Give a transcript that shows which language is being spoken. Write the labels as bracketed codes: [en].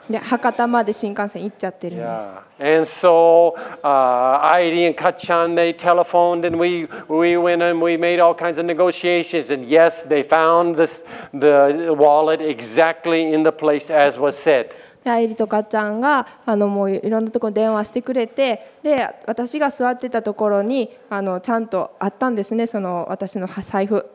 [ja] で、博多まで新幹線行っちゃってるんです。 [en] Yeah. And so, Irie and Kachan, they telephoned and we went and we made all kinds of negotiations. And yes, they found the wallet exactly in the place as was said. [ja] アイリとかちゃんがもういろんなところに電話してくれて、で私が座ってたところにちゃんとあったんですね、その私の財布、